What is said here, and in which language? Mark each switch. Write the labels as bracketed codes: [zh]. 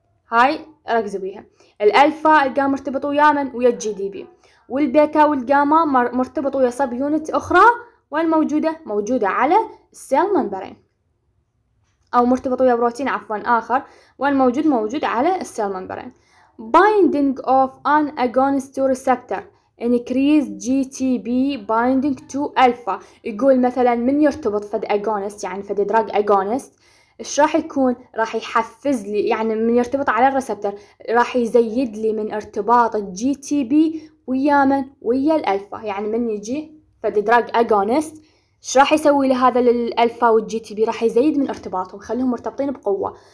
[ar] هاي ركزوا بيها، الألفا ألقاه مرتبط ويا من؟ ويا جي دي بي، والبيتا والجاما مرتبط ويا سب يونت أخرى وين موجودة؟ موجودة على السيل ممبرين، أو مرتبط ويا بروتين عفوا آخر وين موجود؟ موجود على السيل ممبرين. [en] Binding of an agonist to receptor increase GTP binding to alpha. [ar] يقول مثلا من يرتبط فد agonist يعني فد drug agonist ايش راح يكون؟ راح يحفز لي يعني من يرتبط على الريسبتر راح يزيد لي من ارتباط GTP ويا من؟ ويا الالفا. يعني من يجي فد drug agonist ايش راح يسوي لهذا الالفا والGTP؟ راح يزيد من ارتباطهم، خليهم مرتبطين بقوة.